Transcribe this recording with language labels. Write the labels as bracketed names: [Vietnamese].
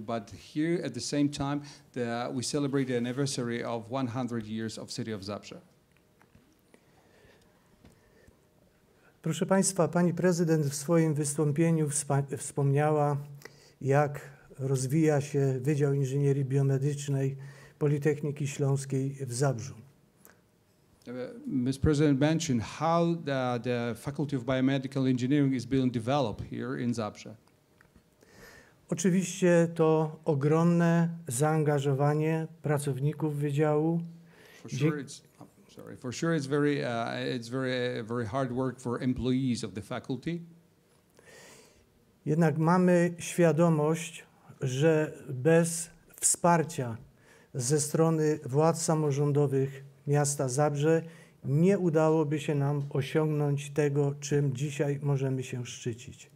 [English] But here at the same time, we celebrate the anniversary of 100 years of City of Zabrze. [Polish] Proszę Państwa, Pani Prezydent w swoim wystąpieniu wspomniała, jak rozwija się Wydział Inżynierii Biomedycznej Politechniki Śląskiej w Zabrzu. [English] Ms. President mentioned how the Faculty of Biomedical Engineering is being developed here in Zabrze. [Polish] Oczywiście to ogromne zaangażowanie pracowników wydziału. [English] It's very hard work for employees of the faculty. [Polish] Jednak mamy świadomość, że bez wsparcia ze strony władz samorządowych miasta Zabrze nie udałoby się nam osiągnąć tego, czym dzisiaj możemy się szczycić.